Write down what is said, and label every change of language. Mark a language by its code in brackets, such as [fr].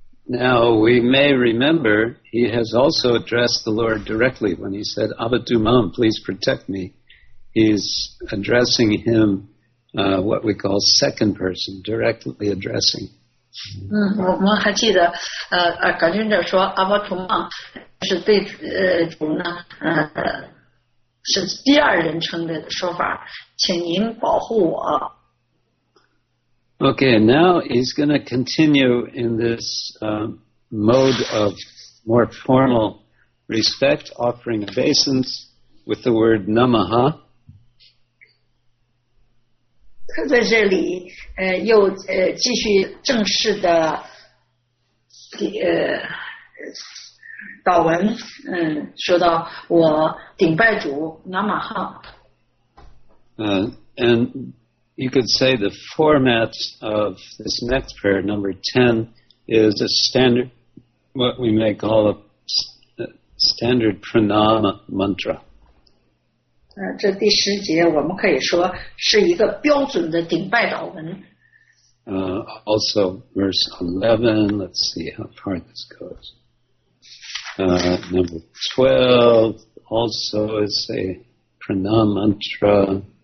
[en] Now we may remember he has also addressed the Lord directly when he said, Abhadumam, please protect me. He's addressing him, what we call second person, directly addressing. [zh] 我们还记得感觉者说阿巴图曼是对主呢是第二人称的说法，请您保护我。 [en] Okay, now he's going to continue in this mode of more formal respect, offering obeisance with the word namaha. [zh] 他在这里又继续正式的祷文，说到我顶拜主南马哈。 [en] And you could say the format of this next prayer, number 10, is a standard, what we may call a standard pranama mantra. [zh] 这第十节我们可以说是一个标准的顶拜祷文。 [en] Also verse 11, let's see how far this goes. Number 12 also is a pranam mantra.